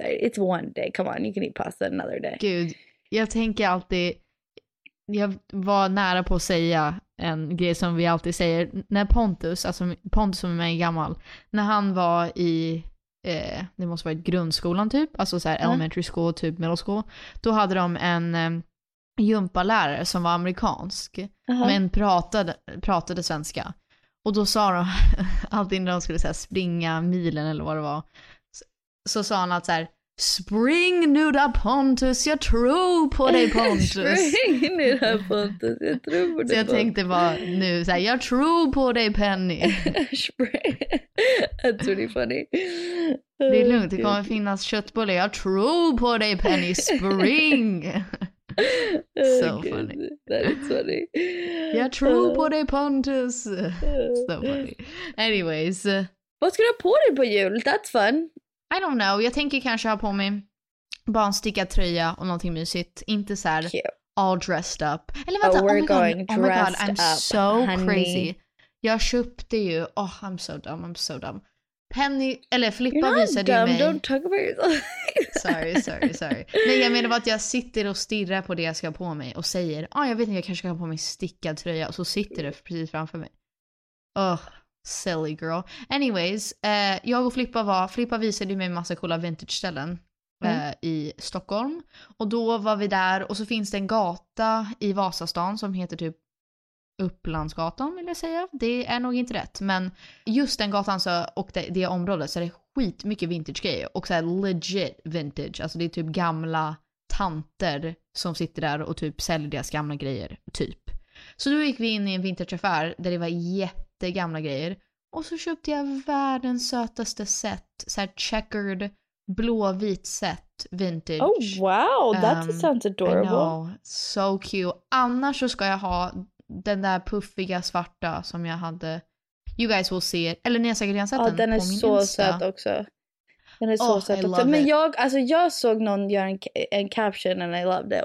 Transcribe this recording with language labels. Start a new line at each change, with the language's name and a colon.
English: It's one day, come on, you can eat pasta another day.
Swedish: Gud, jag tänker alltid... Jag var nära på att säga en grej som vi alltid säger. När Pontus som är mig gammal, när han var i... det måste vara i grundskolan typ, alltså så här elementary school, typ middle school, då hade de en gympalärare som var amerikansk men pratade svenska, och då sa de alltid när de skulle så här, springa milen eller vad det var, så sa han att så här, Spring nuda Pontus, jag tror på dig Pontus. Spring nuda Pontus, jag tror på dig Pontus. Så jag tänkte bara nu så här, jag tror på dig Penny.
English: Spring, that's really funny.
Swedish: Det är lugnt, det kommer finnas köttbullar. Jag tror på dig Penny, spring.
English: So funny. That is funny.
Swedish: Jag tror på dig Pontus.
English: So funny. Anyways.
Swedish: Vad ska du ha på dig på jul?
English: That's fun. I don't know,
Swedish: jag tänker kanske ha på mig bara en stickad tröja och någonting mysigt. Inte så här
English: cute. All dressed up.
Swedish: Eller vänta,
English: oh, oh my god, I'm up, so honey. Crazy.
Swedish: Jag köpte ju,
English: oh I'm so dumb.
Swedish: Penny, eller Filippa visade
English: dumb.
Swedish: Ju mig.
English: Don't talk about yourself. sorry.
Swedish: Nej, jag menar bara att jag sitter och stirrar på det jag ska ha på mig och säger, ah, jag vet inte, jag kanske ska ha på mig stickad tröja och så sitter det precis framför mig. Ugh. Oh.
English: Silly girl.
Swedish: Anyways, jag och Filippa visade mig en massa coola vintage-ställen i Stockholm. Och då var vi där och så finns det en gata i Vasastan som heter typ Upplandsgatan vill jag säga. Det är nog inte rätt. Men just den gatan så, och det området så är det skitmycket vintage-grejer. Och så är legit vintage. Alltså det är typ gamla tanter som sitter där och typ säljer deras gamla grejer. Typ. Så då gick vi in i en vintage-affär där det var jätte gamla grejer. Och så köpte jag världens sötaste set. Så här checkered, blå-vit set, vintage.
English: Oh wow, that sounds adorable. I know, so cute.
Swedish: Annars så ska jag ha den där puffiga svarta som jag hade.
English: You guys will see it.
Swedish: Eller ni har säkert redan sett den på min Insta. Den är så söt också. Den är så söt också. Men jag, alltså, jag såg någon göra en caption
English: and I loved it.